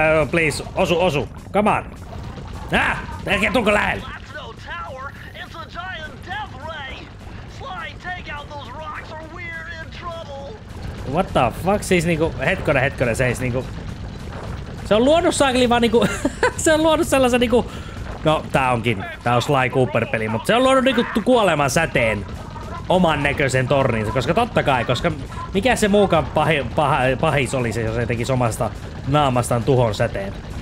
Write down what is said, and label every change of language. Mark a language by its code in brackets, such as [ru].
[fi] Please, osu. [en] Come on. [fi] Ah, tälkeen tulko lähelle. [en] That's no tower, it's a giant death ray. Sly, take out those rocks or we're in trouble. What the fuck, [fi] siis niinku, hetkonen, seis niinku. Se on luonut saakeli vaan niinku, se on luonut sellasen niinku, no tää onkin, tää on Sly Cooper peli, mut se on luonut niinku kuoleman säteen oman näköisen torninsa, koska tottakai, koska mikä se muukaan pahis olisi, jos se tekisi omasta naamastaan tuhon säteen.